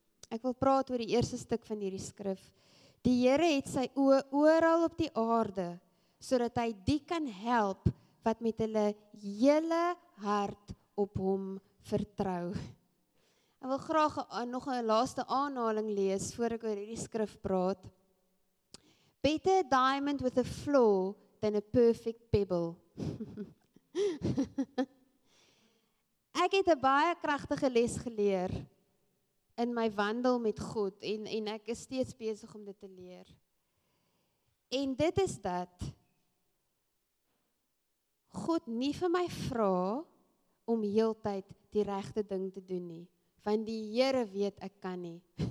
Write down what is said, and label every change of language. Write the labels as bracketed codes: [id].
[af] Ek wil praat oor die eerste stuk van hierdie skrif. Die Here het sy oë oral op die aarde sodat hy die kan help wat met hulle hele hart op hom vertrou. Ek wil graag nog 'n laaste aanhaling lees voor ek oor hierdie skrif praat. [en] Better a diamond with a flaw than a perfect pebble. [af] Ek het 'n baie kragtige les geleer in my wandel met God en ek is steeds besig om dit te leer. En dit is dat God nie vir my vra om heeltyd die regte ding te doen nie, want die Here weet ek kan nie.